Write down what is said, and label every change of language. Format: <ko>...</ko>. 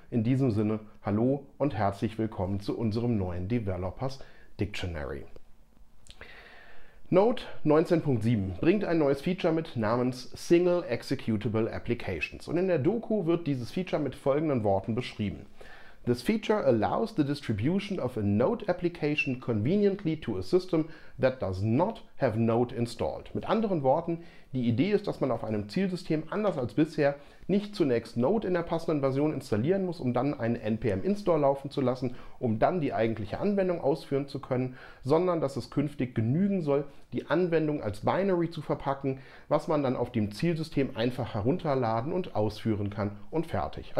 <de>In diesem Sinne, hallo und herzlich willkommen zu unserem neuen Developers Dictionary. Node 19.7 bringt ein neues Feature mit namens Single Executable Applications und in der Doku wird dieses Feature mit folgenden Worten beschrieben.</de> <en>This feature allows the distribution of a Node application conveniently to a system that does not have Node installed.</en> <de>Mit anderen Worten, die Idee ist, dass man auf einem Zielsystem anders als bisher nicht zunächst Node in der passenden Version installieren muss, um dann einen NPM-Install laufen zu lassen, um dann die eigentliche Anwendung ausführen zu können, sondern dass es künftig genügen soll, die Anwendung als Binary zu verpacken, was man dann auf dem Zielsystem einfach herunterladen und ausführen kann und fertig.</de>